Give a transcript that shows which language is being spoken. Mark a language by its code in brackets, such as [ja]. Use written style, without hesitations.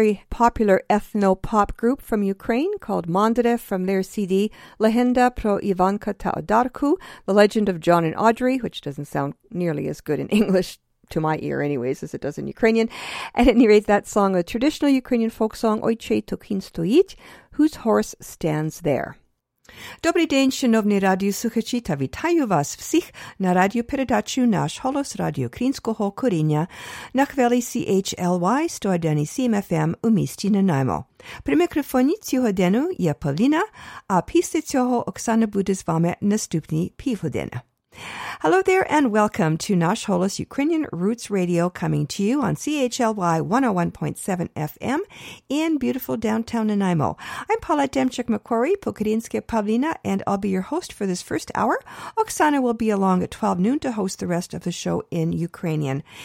[en] Popular ethno-pop group from Ukraine called Mandere from their CD Legenda pro Ivanka ta Odarku, The Legend of John and Audrey, which doesn't sound nearly as good in English to my ear anyways, as it does in Ukrainian. At any rate, that song, a traditional Ukrainian folk song, Oy Chey Tukhin Stoit, Whose Horse Stands There. [uk] Добрий день, шановні радіослухачі, та вітаю вас всіх на радіопередачу «Наш голос» радіо Українського коріння на хвилі CHLY 101.7 FM у місті Нанаймо. При мікрофоні цього дня є Павліна, а після цього Оксана буде з вами наступні півгодини. [en] Hello there and welcome to Nash Holos Ukrainian Roots Radio, coming to you on CHLY 101.7 FM in beautiful downtown Nanaimo. I'm Paula Demchuk-Macquarie, Pokorinske Pavlina, and I'll be your host for this first hour. Oksana will be along at 12 noon to host the rest of the show in Ukrainian.